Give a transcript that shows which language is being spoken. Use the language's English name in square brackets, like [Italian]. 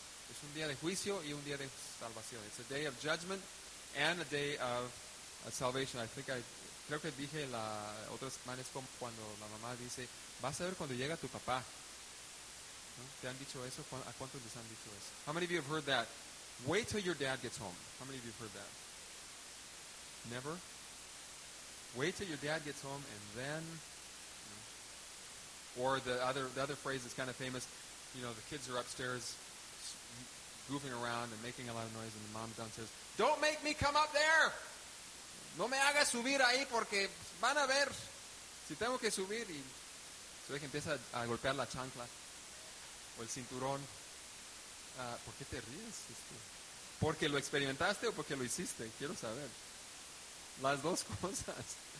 [Spanish] Es un día de juicio y un día de salvación. [English] It's a day of judgment and a day of salvation. I think [Spanish] creo que dije la otra semana, es como cuando la mamá dice, vas a ver cuando llega tu papá. ¿No? ¿Te han dicho eso? ¿A cuántos les han dicho eso? [English] How many of you have heard that? Wait till your dad gets home. How many of you have heard that? Never? Wait till your dad gets home and then... Or the other phrase is kind of famous, you know, the kids are upstairs goofing around and making a lot of noise, and the mom downstairs, don't make me come up there! [Spanish] No me haga subir ahí porque van a ver si tengo que subir. Y se ve que empieza a golpear la chancla o el cinturón. ¿Por qué te ríes? ¿Porque lo experimentaste o porque lo hiciste? Quiero saber. Las dos cosas.